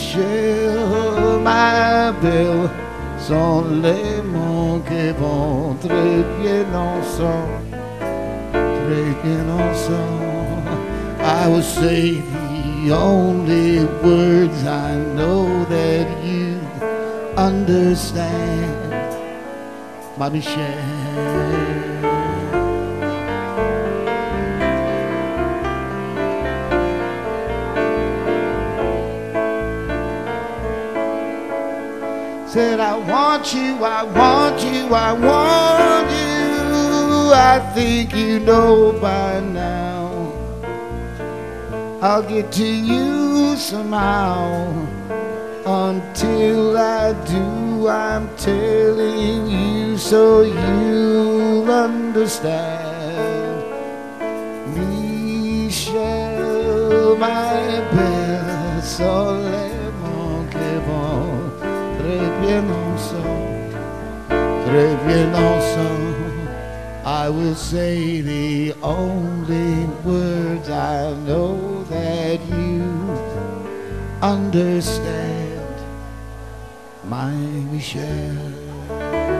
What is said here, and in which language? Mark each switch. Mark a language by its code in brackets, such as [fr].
[fr] Michelle, ma belle, sont les mots que vont très bien ensemble, très bien ensemble. [en] I will say the only words I know that you understand, my Michelle. Said I want you, I want you, I want you, I think you know by now. I'll get to you somehow. Until I do, I'm telling you so you'll understand. [fr] Michelle, my belle, sont les mots que vont très bien ensemble, très bien ensemble. [en] I will say the only words I know that you understand, my Michelle.